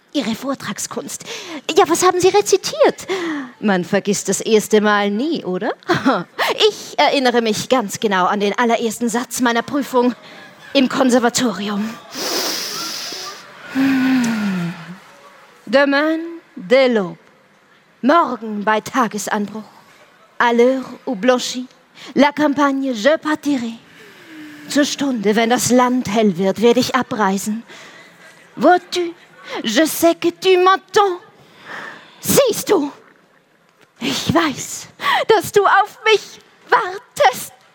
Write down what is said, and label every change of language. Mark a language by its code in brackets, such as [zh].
[de] Ihre Vortragskunst. Ja, was haben Sie rezitiert? Man vergisst das erste Mal nie, oder? Ich erinnere mich ganz genau an den allerersten Satz meiner Prüfung im Konservatorium. [fr] Demain, dès l'aube. [de] Morgen bei Tagesanbruch. [fr] À l'heure où blanchit la campagne, je partirai. [de] Zur Stunde, wenn das Land hell wird, werde ich abreisen. [fr] Vois-tu? Je sais que tu m'entends. [de] Siehst du? Ich weiß, dass du auf mich wartest.